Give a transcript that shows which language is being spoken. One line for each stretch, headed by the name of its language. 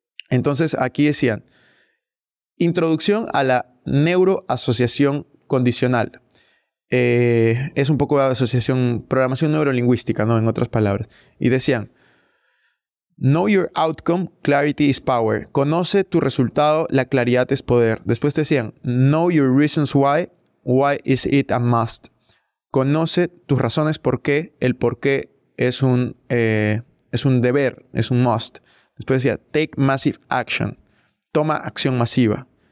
Spanish: Entonces, aquí decían, introducción a la neuroasociación condicional. Es un poco de asociación, programación neurolingüística, ¿no? En otras palabras. Y decían,
English: know your outcome, clarity is power.
Spanish: Conoce tu resultado, la claridad es poder. Después te decían,
English: know your reasons why is it a must.
Spanish: Conoce tus razones por qué, el por qué es un deber, es un must. Después decía,
English: take massive action,
Spanish: toma acción masiva.